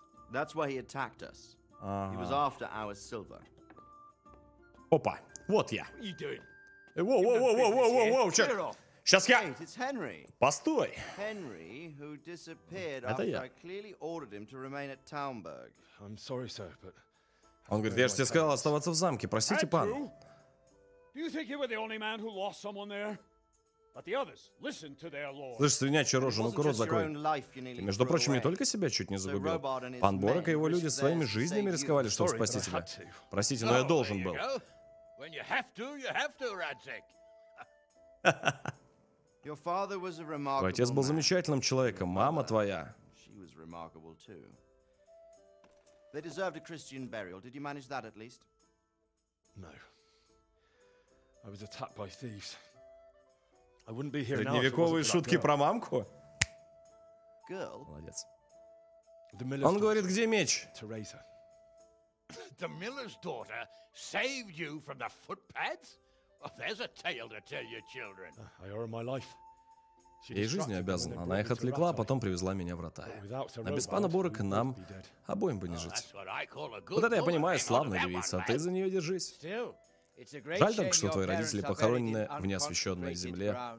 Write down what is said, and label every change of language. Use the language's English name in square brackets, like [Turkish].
[English] That's why he attacked us. He was after our silver. [Russian] Опа, вот я. [English] What are you doing? Whoa, check. [Russian] Сейчас я. [English] Wait, it's Henry. [Russian] Постой. [English] Henry, who disappeared after I clearly ordered him to remain at Taumburg. I'm sorry, sir, but. [Russian] Он говорит, я же тебе сказал оставаться в замке, простите, пан. [English] Do you think you were the only man who lost someone there? But the others, listen to their lord. [Russian] Слышь, свинячья рожа, ну-ка рот закрой. И, между прочим, не только себя чуть не загубил. Пан Борок и его люди своими жизнями рисковали, чтобы спасти тебя. Простите, но я должен был. [English] When you have to, you have to, Radzik. Your father was a remarkable man. [Russian] Твой отец был замечательным человеком, мама твоя. [English] She was remarkable too. They deserved a Christian burial. Did you manage that at least? No. I was attacked by thieves. I wouldn't be here now if it wasn't for that girl. Girl? [Russian] Молодец. Он говорит, где меч? [English] Teresa. The miller's daughter saved you from the footpads? Well, there's a tale to tell your children. I owe her my life. [Russian] Ей жизнь обязана. Она их отвлекла, а потом привезла меня в Ротай. А без пана Борока нам обоим бы не жить. Вот это я понимаю, славная девица, а ты за нее держись. Жаль только, что твои родители похоронены в неосвященной земле.